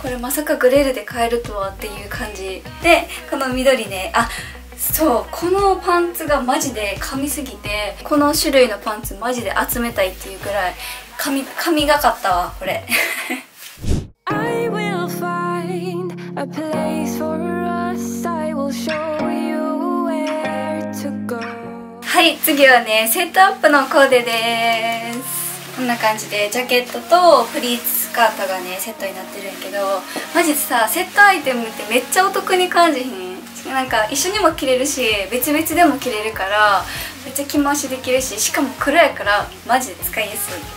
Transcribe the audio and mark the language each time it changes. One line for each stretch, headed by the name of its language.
Japanese: これまさかグレールで買えるとはっていう感じで、この緑ね、あ、そう、このパンツがマジで神すぎて、この種類のパンツマジで集めたいっていうくらい神がかったわこれ
English: I will find a place for us. I will show you where to go.
Japanese: はい、次はねセットアップのコーデです。こんな感じでジャケットとプリーツスカートがねセットになってるんやけど、マジでさセットアイテムってめっちゃお得に感じひん？なんか一緒にも着れるし別々でも着れるからめっちゃ着回しできるし、しかも黒やからマジで使いやすい。